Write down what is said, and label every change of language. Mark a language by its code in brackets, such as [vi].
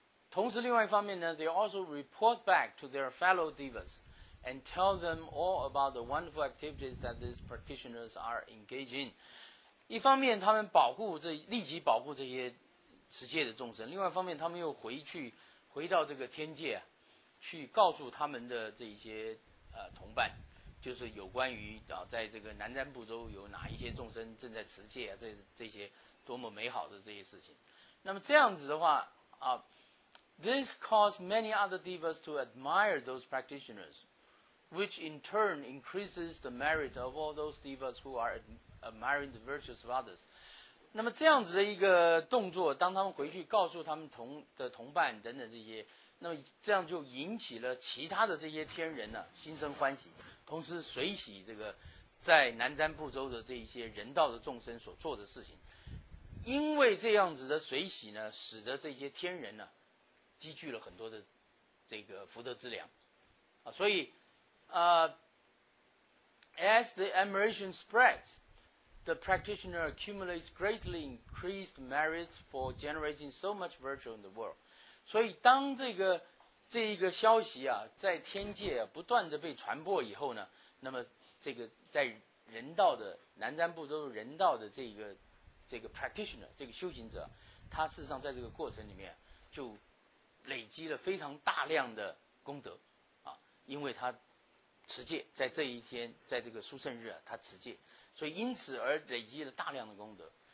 [zh] 同时另外一方面呢， [en] they also report back to their fellow devas and tell them all about the wonderful activities that these practitioners are engaged in。 [zh] 一方面他们保护这立即保护这些持戒的众生，另外一方面他们又回去回到这个天界啊，去告诉他们的这些同伴，就是有关于啊，在这个南瞻部洲有哪一些众生正在持戒啊，这些多么美好的这些事情。那么这样子的话啊， [en] this caused many other devas to admire those practitioners， which in turn increases the merit of all those devas who are admiring the virtues of others。 [zh] 那么这样子的一个动作，当他们回去告诉他们同伴等等这些，那么这样就引起了其他的这些天人呢、啊、心生欢喜，同时随喜这个在南瞻部洲的这一些人道的众生所做的事情。因为这样子的随喜呢，使得这些天人呢、啊、积聚了很多的这个福德之粮啊。 [en] 所以as the admiration spreads, the practitioner accumulates greatly increased merits for generating so much virtue in the world。 [zh] 所以当这一个消息啊在天界啊不断的被传播以后呢，那么这个在人道的南瞻部洲人道的这个 practitioner 这个修行者，他事实上在这个过程里面就累积了非常大量的功德啊，因为他持戒，在这一天在这个殊胜日啊他持戒，所以因此而累积了大量的功德。